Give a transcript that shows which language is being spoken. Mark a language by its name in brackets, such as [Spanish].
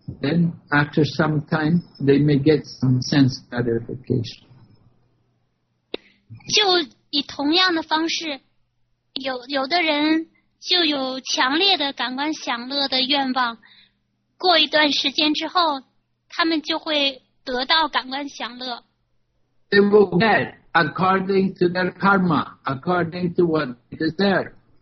[English] Then after some time, they may get some sense gratification. [Chinese] 就以同样的方式，有的人就有强烈的感官享乐的愿望，过一段时间之后，他们就会得到感官享乐。 [English] They will get. According to their karma, according to what they deserve.